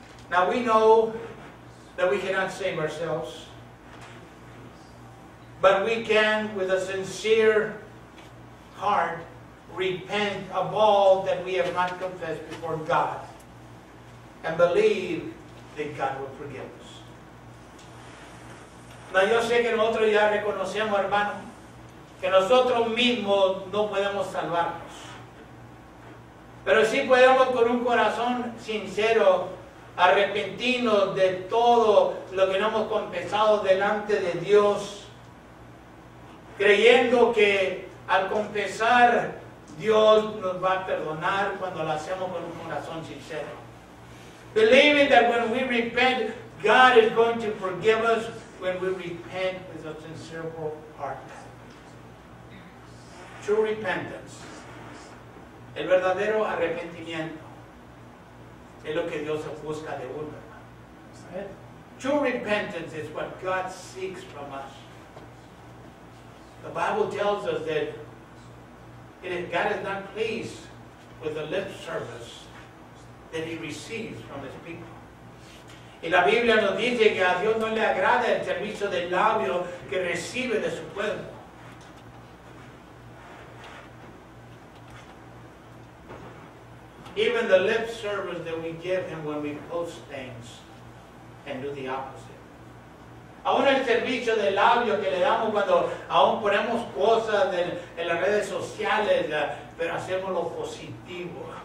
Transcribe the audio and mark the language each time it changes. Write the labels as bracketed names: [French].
[English] Now we know that we cannot save ourselves, but we can, with a sincere heart, repent of all that we have not confessed before God and believe that God will forgive us. [Spanish] Now, yo sé que nosotros ya reconocemos, hermano, que nosotros mismos no podemos salvarnos. Pero sí podemos con un corazón sincero arrepentirnos de todo lo que no hemos confesado delante de Dios, creyendo que al confesar Dios nos va a perdonar cuando lo hacemos con un corazón sincero. [English] Believing that when we repent, God is going to forgive us when we repent with a sincere heart. True repentance. [Spanish] El verdadero arrepentimiento es lo que Dios busca de uno. [English] True repentance is what God seeks from us. The Bible tells us that God is not pleased with the lip service that he receives from his people. [Spanish] Y la Biblia nos dice que a Dios no le agrada el servicio del labio que recibe de su pueblo. [English] Even the lip service that we give him when we post things and do the opposite. [Spanish] Aún el servicio de labios que le damos cuando aún ponemos cosas en las redes sociales, pero hacemos lo positivo.